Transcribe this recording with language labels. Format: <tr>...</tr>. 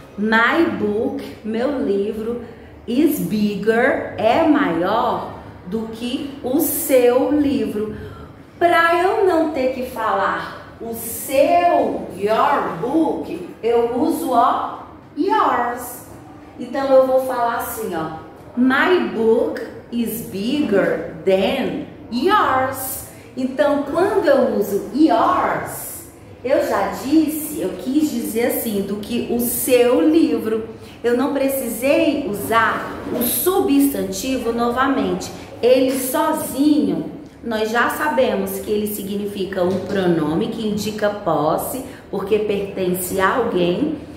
<en>My book,</en> <pt>meu livro,</pt> <en>is bigger,</en> <pt>é maior do que o seu livro. Para eu não ter que falar o seu,</pt> <en>your book,</en> <pt>eu uso, ó, yours. Então, eu vou falar assim, ó.</pt> <en>My book is bigger than yours.</en> <pt>Então, quando eu uso yours, eu já disse, eu quis dizer assim, do que o seu livro. Eu não precisei usar o substantivo novamente. Ele sozinho, nós já sabemos que ele significa um pronome que indica posse, porque pertence a alguém.</pt>